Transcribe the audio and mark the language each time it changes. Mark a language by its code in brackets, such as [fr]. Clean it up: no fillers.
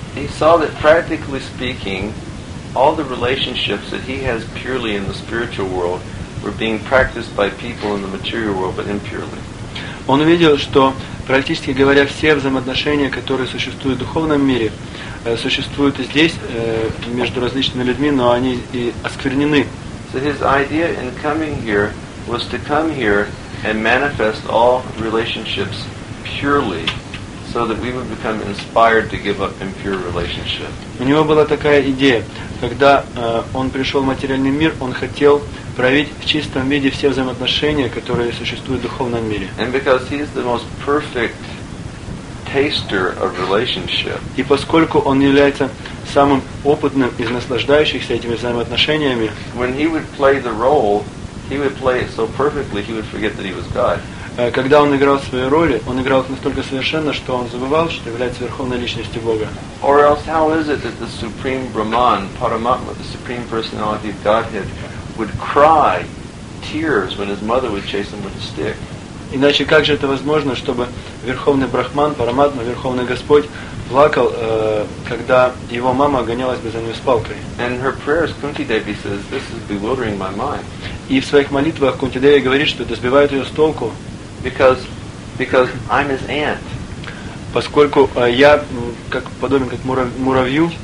[en] He saw that, practically speaking, all the relationships that he has purely in the spiritual world were being practiced by people in the material world, but impurely. [ru] Он увидел, что, практически говоря, все взаимоотношения, которые существуют в духовном мире, существуют и здесь, между различными людьми, но они и осквернены. [en] So his idea in coming here was to come here and manifest all relationships purely, so that we would become inspired to give up impure relationships. [ru] У него была такая идея. Когда он пришел в материальный мир, он хотел проявить в чистом виде все взаимоотношения, которые существуют в духовном мире. [en] And because he is the most perfect taster of relationship. [ru] И поскольку он является самым опытным из наслаждающихся этими взаимоотношениями, [en] when he would play the role, he would play it so perfectly he would forget that he was God. [ru] Когда он играл свои роли, он играл их настолько совершенно, что он забывал, что является верховной личностью Бога. [en] Or else how is it that the supreme Brahman, Paramatma, the supreme personality of Godhead, would cry tears when his mother would chase him with a stick? [ru] Иначе как же это возможно, чтобы верховный Брахман, Параматма, верховный Господь плакал, когда его мама гонялась бы за ним с палкой? [en] And her prayers, Kunti Devi says, this is bewildering my mind. [ru] И в своих молитвах Кунти Деви говорит, что это сбивает ее с толку. [en] Because I'm his aunt. [ru] Поскольку я как подобен как муравью.